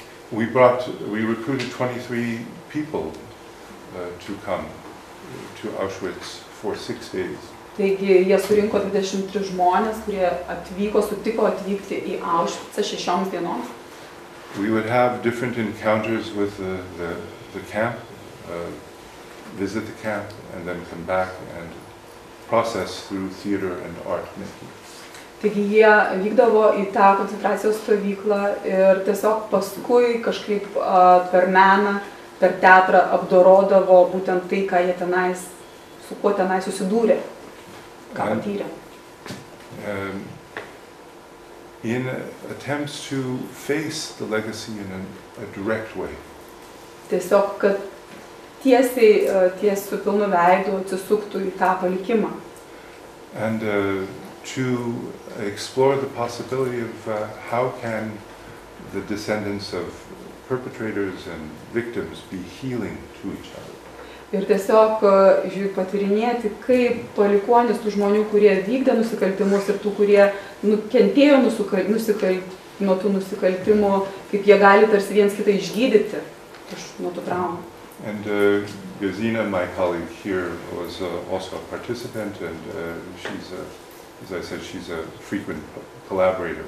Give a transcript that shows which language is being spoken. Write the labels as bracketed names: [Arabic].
[English] We recruited 23 people to come to Auschwitz for 6 days. [Lithuanian] Taigi jie surinko 23 žmonės, kurie sutiko atvykti į Auschwitz'ą 6 dienoms. [English] We would have different encounters with the camp, visit the camp and then come back and process through theater and art making. [Lithuanian] Taigi jie vykdavo į tą koncentracijos stovyklą ir tiesiog paskui kažkaip per meną, per teatrą apdorodavo būtent tai, ką jie tenais, su kuo tenais susidūrė, ką patyrė. [English] In attempts to face the legacy in a direct way. [Lithuanian] Tiesiog, kad tiesiai, tiesiai su pilnu veidu atsisuktų į tą palikimą. [English] And to explore the possibility of how can the descendants of perpetrators and victims be healing to each other. [Lithuanian] Ir tiesiog patyrinėti, kaip palikuonis tų žmonių, kurie vykdė nusikaltimus ir tų, kurie nukentėjo nuo tų nusikaltimų, kaip jie gali tarsi viens kitą išgydyti nuo tų traumų. [English] And Gazina, my colleague here, was also a participant and she's a, as I said, she's a frequent collaborator.